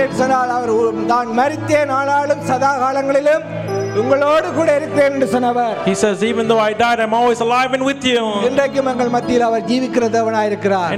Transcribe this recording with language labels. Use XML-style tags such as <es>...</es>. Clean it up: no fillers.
<ta>சொன்னால் அவர் தான் மரித்தே நாளாலும் சதா காலங்களிலும் உங்களோடு கூட இருக்கிறேன் என்று சொன்னவர்.</ta> <en>He says, even though I died, I'm always alive and with you.</en> <ta>இன்றைக்கும் எங்கள் மத்தியில் அவர் ஜீவிக்கிற தேவனாய் இருக்கிறார்.</ta>